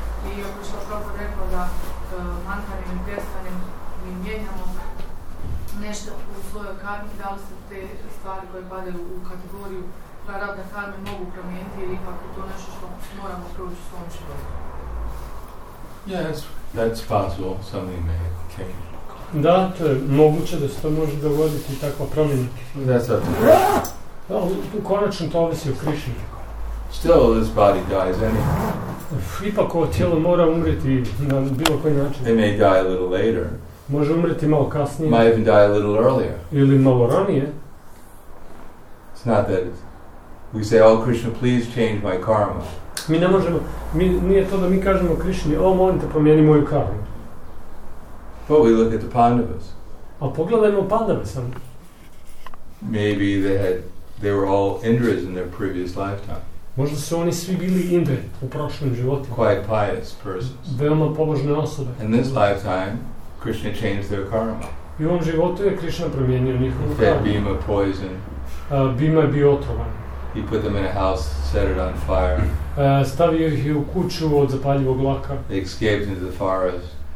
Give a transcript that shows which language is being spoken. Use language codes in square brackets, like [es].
[bs] I ako što Prabhupada rekao da mantranjem i pjesmanjem mi mijenjamo nešto u svojoj karmi, da li se te stvari koje padaju u kategoriju prarabdha karme mogu promijeniti ili ipak je to nešto što moramo proći u svom životu? [en] Yes, that's possible. Something may change. [bs] Da, to je moguće da se to može dogoditi, takva promjena. Da, sad. Da, u konačno to ovisi o Krišni. [en] Still this body dies anyway. [bs] Ipak ovo tijelo mora umreti na bilo koji način. [en] It may die a little later. [bs] Može umreti malo kasnije. [en] Might even die a little earlier. [bs] Ili malo ranije. [en] It's not that it's... We say, oh Krishna, please change my karma. [bs] Mi ne možemo, mi, nije to da mi kažemo Krišni, o, molim te, promijeni moju karmu. [en] But we look at the Pandavas. [bs] A pogledajmo Pandave sam. [en] Maybe they had, they were all Indras in their previous lifetime. [bs] Možda su oni svi bili Indre u prošlom životu. [en] Quite pious persons. [bs] Veoma pobožne osobe. [en] In this lifetime, Krishna changed their karma. [bs] I u ovom životu je Krishna promijenio njihovu karmu. [en] He fed Bhima poison. [bs] Bhima je bio otrovan. [en] He put them in a house, set it on fire. [bs] Stavio ih u kuću od zapaljivog laka. [en] They escaped into the forest.